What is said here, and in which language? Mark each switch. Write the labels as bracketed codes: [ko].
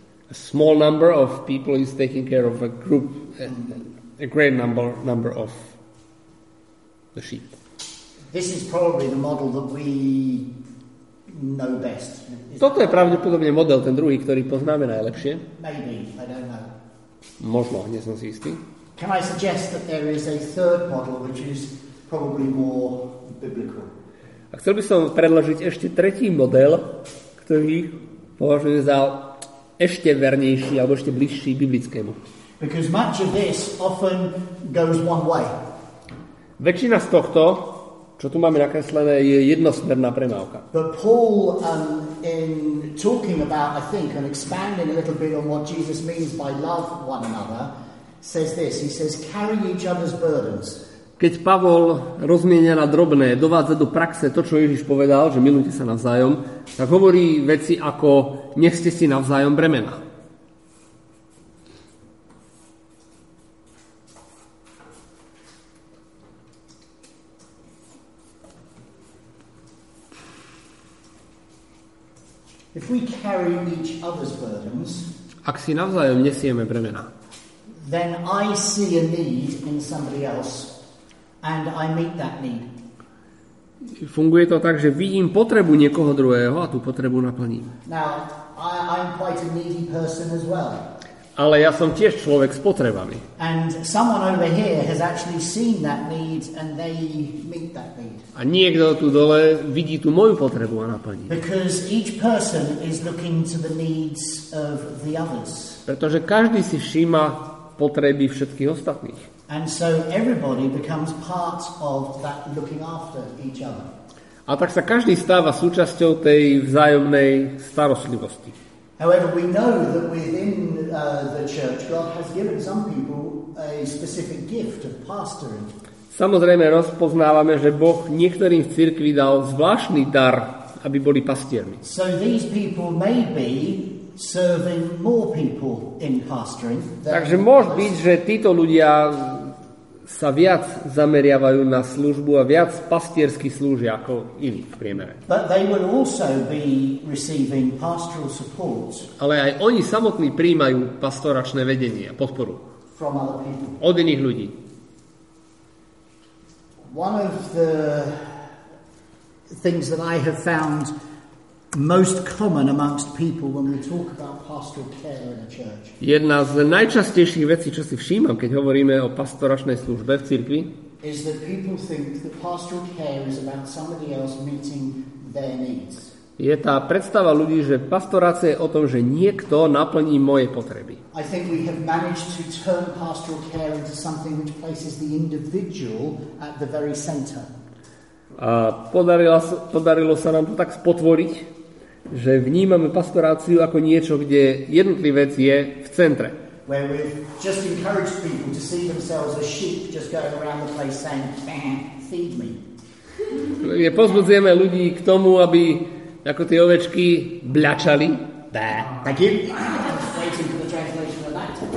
[en] A small number of people is taking care of a group, a great number of the sheep. This is probably the model that we know best. [sk] Toto je pravdepodobne model, ten druhý, ktorý poznáme najlepšie. [en] Maybe, I don't know. [sk] Možno, nie som si istý. [en] Can I suggest that there is a third model which is probably more biblical? [sk] A chcel by som predložiť ešte tretí model, ktorý považujem za ešte vernejší alebo ešte bližší biblickému. [en] Because much of this often goes one way. [sk] Väčšina z tohto, čo tu máme nakreslené, je jednosmerná premávka. [en] But Paul, in talking about, I think, and expanding a little bit on what Jesus means by love one another, says this. He says, carry each other's burdens. [sk] Keď Pavol rozmienia na drobné, dovádza do praxe to, čo Ježiš povedal, že milujte sa navzájom, tak hovorí veci ako nechte si navzájom bremena. [en] If we carry each other's burdens, [sk] ak si navzájom nesieme bremena, [en] then I see a need in somebody else and I meet that need. [sk] Funguje to tak, že vidím potrebu niekoho druhého a tú potrebu naplním. [en] Now, I'm quite a needy person as well. [sk] Ale ja som tiež človek s potrebami. [en] And someone over here has actually seen that need and they meet that need. [sk] A niekto tu dole vidí tú moju potrebu a naplní. [en] Because each person is looking to the needs of the others. [sk] Pretože každý si všíma potreby všetkých ostatných. [en] And so everybody becomes part of that looking after each other. [sk] A tak sa každý stáva súčasťou tej vzájomnej starostlivosti. [en] However, we know that within the church God has given some people a specific gift of pastoring. [sk] Samozrejme rozpoznávame, že Boh niektorým v cirkvi dal zvláštny dar, aby boli pastiermi. [en] So these people may be serving more people in pastoring. [sk] Takže môže byť, že títo ľudia sa viac zameriavajú na službu a viac pastiersky slúžia ako iní v priemere. [en] But they will also be receiving pastoral support. [sk] Ale aj oni samotní prijímajú pastoračné vedenie a podporu [en] from other people. [sk] Od iných ľudí. [en] One of the things that I have found most common amongst people when we talk about pastoral care in a church. [sk] Jedna z najčastejších vecí, čo si všímam, keď hovoríme o pastoračnej službe v cirkvi, [en] is that people think that pastoral care is about somebody else meeting their needs. [sk] Je tá predstava ľudí, že pastorácia je o tom, že niekto naplní moje potreby. [en] I think we have managed to turn pastoral care into something which places the individual at the very center. [sk] A podarilo sa nám to tak spotvoriť, že vnímame pastoráciu ako niečo, kde jednotlivec je v centre. [en] Where we just encourage people to see themselves as sheep just going around the place saying, feed me. [sk] Je pozbudzujeme ľudí k tomu, aby ako tie ovečky bľačali. [en] Thank you. I'm just waiting for the translation of that.